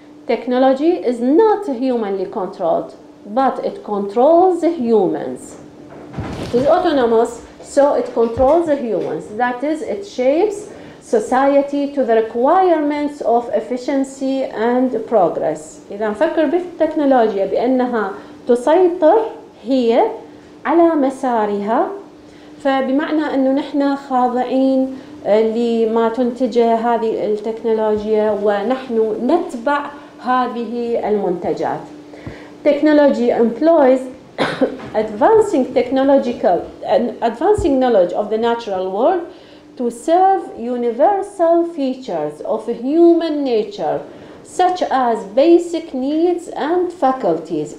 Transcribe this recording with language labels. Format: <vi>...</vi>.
<en>Technology is not humanly controlled, but it controls humans. It is autonomous, so it controls humans. That is, it shapes society to the requirements of efficiency and progress.</en> <ar>إذا نفكر بالتكنولوجيا بأنها تسيطر هي على مسارها، فبمعنى أنه نحن خاضعين لما تنتجه هذه التكنولوجيا ونحن نتبع هذه المنتجات.</ar> <en>Technology employs advancing technological and advancing knowledge of the natural world to serve universal features of human nature such as basic needs and faculties.</en>